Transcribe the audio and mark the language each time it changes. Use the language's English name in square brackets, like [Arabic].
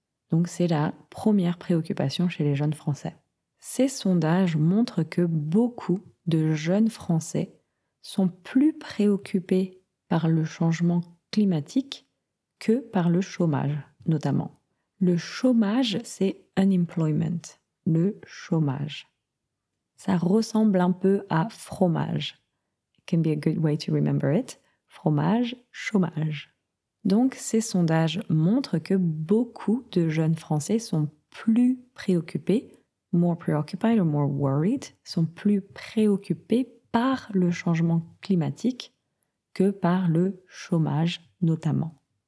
[French] Donc, c'est la première préoccupation chez les jeunes Français. Ces sondages montrent que beaucoup de jeunes Français sont plus préoccupés par le changement climatique que par le chômage, notamment. Le chômage, c'est unemployment, le chômage. Ça ressemble un peu à fromage. [English] It can be a good way to remember it. [French] Fromage, chômage. Donc, ces sondages montrent que beaucoup de jeunes Français sont plus préoccupés, [English] more preoccupied or more worried, [French] sont plus préoccupés par le changement climatique que par le chômage notamment.